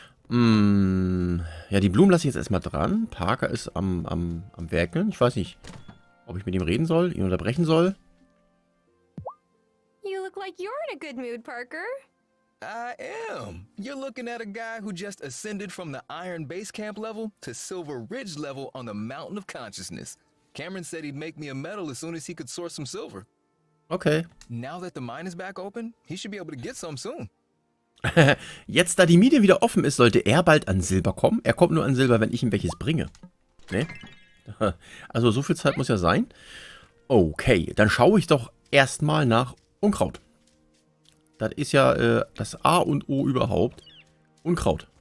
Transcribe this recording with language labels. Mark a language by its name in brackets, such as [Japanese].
[German] Ja, die Blumen lasse ich jetzt erstmal dran. Parker ist am werkeln. Ich weiß nicht, ob ich mit ihm reden soll, ihn unterbrechen soll. [English] You look like you're in a good mood, Parker. I am. You're looking at a guy who just ascended from the Iron Base Camp level to Silver Ridge level on the Mountain of Consciousness. Cameron said he'd make me a medal as soon as he could source some silver. Okay. Now that the mine is back open, he should be able to get some soon. [German] Jetzt, da die Mine wieder offen ist, sollte er bald an Silber kommen. Er kommt nur an Silber, wenn ich ihm welches bringe. Ne? Also so viel Zeit muss ja sein. Okay, dann schaue ich doch erstmal nach Unkraut. Das ist ja das A und O überhaupt. Unkraut.